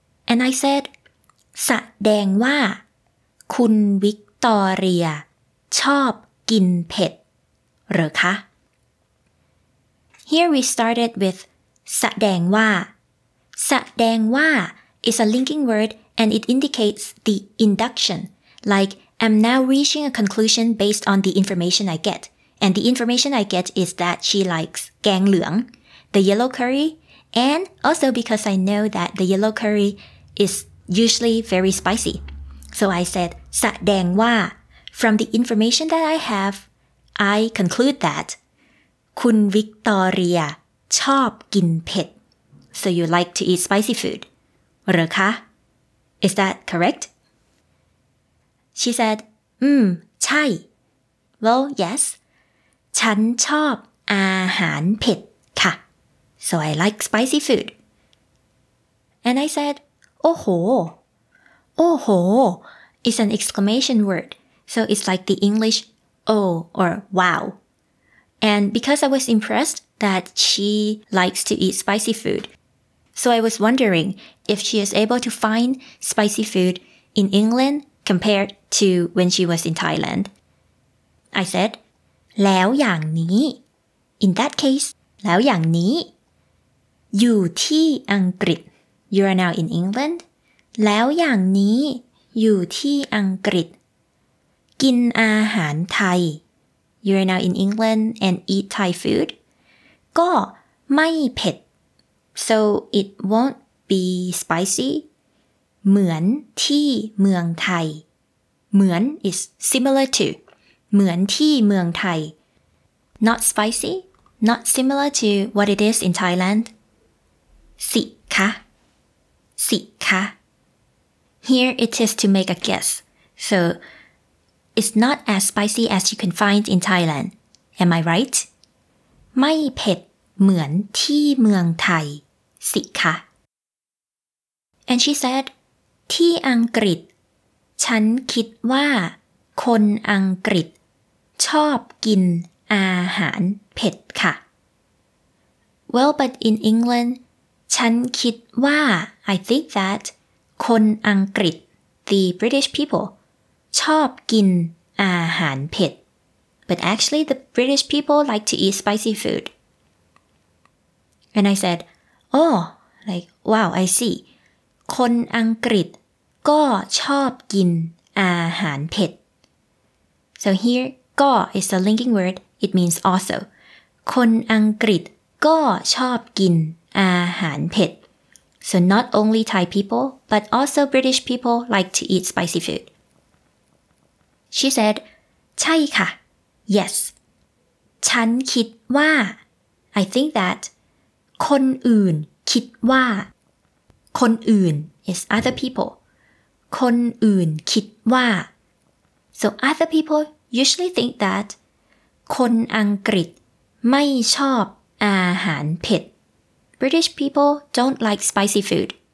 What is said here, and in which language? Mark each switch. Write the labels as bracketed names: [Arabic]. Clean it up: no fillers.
[English] And I said, [Thai] สะแดงว่าคุณวิกตอเรียชอบกินเผ็ดหรือคะ [English] Here we started with [Thai] สะแดงว่าสะแดงว่า [English] is a linking word and it indicates the induction. Like, I'm now reaching a conclusion based on the information I get. And the information I get is that she likes [Thai] แกงเหลือง, [English] the yellow curry, and also because I know that the yellow curry is usually very spicy. So I said, [Thai] สะแดงว่า, [English] from the information that I have, I conclude that [Thai] คุณวิกตอเรียชอบกินเผ็ด. [English] So you like to eat spicy food, [Thai] หรือคะ? [English] Is that correct? She said, [Thai] ใช่. [English] Well, yes. [Thai] ฉันชอบอาหารเผ็ดค่ะ [English] So I like spicy food And I said, oho. Oho is an exclamation word. So it's like the English oh or wow. And because I was impressed that she likes to eat spicy food, so I was wondering if she is able to find spicy food in England compared to when she was in Thailand. I said, แล้วอย่างนี้ In that case, [Thai] แล้วอย่างนี้ อยู่ที่อังกฤษ [English] You are now in England. [Thai] แล้วอย่างนี้อยู่ที่อังกฤษ กินอาหารไทย [English] You are now in England and eat Thai food. [Thai] ก็ไม่เผ็ด [English] So it won't be spicy. [Thai] เหมือนที่เมืองไทย เหมือน [English] is similar to. [Thai] เหมือนที่เมืองไทย [English] Not spicy? Not similar to what it is in Thailand? [Thai] สิคะสิคะ [English] Here it is to make a guess. So, it's not as spicy as you can find in Thailand. Am I right? [Thai] ไม่เผ็ดเหมือนที่เมืองไทยสิคะ [English] And she said, [Thai] ที่อังกฤษฉันคิดว่าคนอังกฤษชอบกินอาหารเผ็ดค่ะ [English] Well, but in England, [Thai] ฉันคิดว่า [English] I think that [Thai] คนอังกฤษ [English] the British people [Thai] ชอบกินอาหารเผ็ด [English] But actually, the British people like to eat spicy food. And I said, oh, like, wow, I see. [Thai] คนอังกฤษก็ชอบกินอาหารเผ็ด [English] So here,ก็ is a linking word. It means also. [Thai] คนอังกฤษก็ชอบกินอาหารเผ็ด [English] So not only Thai people, but also British people like to eat spicy food. She said, [Thai] ใช่ค่ะ [English] Yes. [Thai] ฉันคิดว่า [English] I think that [Thai] คนอื่นคิดว่าคนอื่น [English] is other people. [Thai] คนอื่นคิดว่า [English] So other peopleUsually think that [Thai] คนอังกฤษไม่ชอบอาหารเผ็ด [English] British people don't like spicy food.